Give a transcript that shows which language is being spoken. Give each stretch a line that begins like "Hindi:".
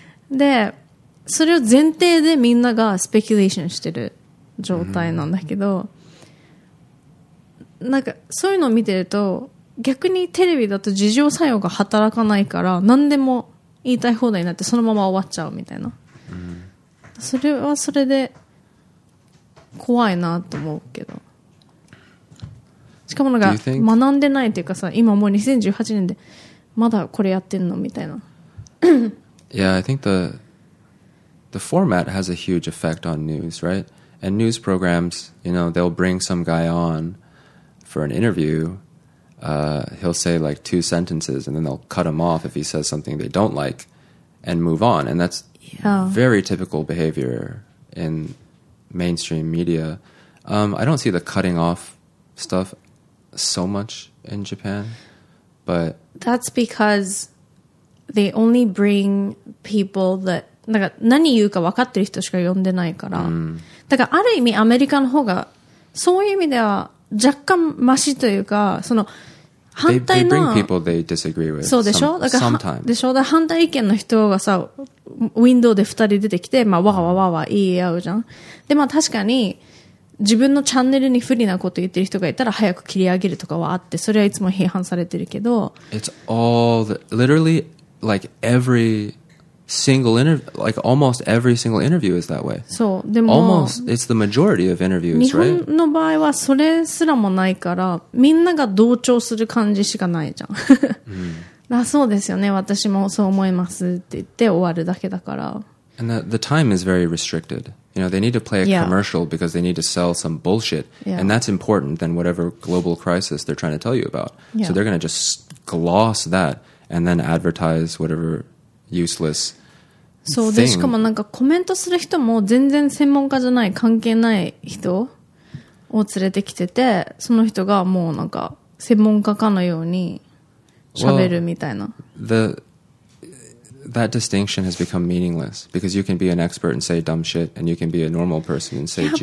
Japanese: で、それを前提でみんながスペキュレーションしてる状態なんだけど、なんか、そういうのを見てると、逆にテレビだと自浄作用が働かないから、何でも言いたい放題になってそのまま終わっちゃうみたいな。それはそれで、怖いなと思うけど。しかもなんか学んでないというかさ、今もう2018年でまだこれやってんのみたいな。
English: Yeah, I think the format has a huge effect on news, right? And news programs, you know, they'll bring some guy on for an interview. He'll say like two sentences and then they'll cut him off if he says something they don't like and move on. And that's very typical behavior in mainstream media. I don't see the cutting off stuff so much in Japan, but that's because they only bring people that,
Japanese: なんか何言うか分かってる人しか呼んでないから、だからある意味アメリカの方がそういう意味では若干マシというか、その反対の
English: they bring people they disagree with.
Japanese: そうでしょ、だから
English: sometimes.
Japanese: でしょ、だから反対意見の人がさ、ウィンドウで二人出てきて、まあわわわわ言い合うじゃん。で、まあ確かに自分のチャンネルに不利なこと言ってる人がいたら早く切り上げるとかはあって、それはいつも批判されてるけど、
English: It's all the, literally like every single interview, like almost every single interview is that way.
Japanese: そう、でも
English: almost, it's the majority of interviews,
Japanese: 日本の場合はそれすらもないから、みんなが同調する感じしかないじゃん。だそうですよね、私もそう思いますって言って終わるだけだから。
English: And the time is very restricted. You know, they need to play a commercial because they need to sell some bullshit. Yeah. And that's important than whatever global crisis they're trying to tell you about. Yeah. So they're going to just gloss that and then advertise whatever useless thing.
Japanese: で、しかもなんかコメントする人も全然専門家じゃない、関係ない人を連れてきてて、その人がもうなんか専門家かのように喋るみたいな。
English: That distinction has become meaningless because you can be an expert and say dumb shit and you can be a normal person and say genius.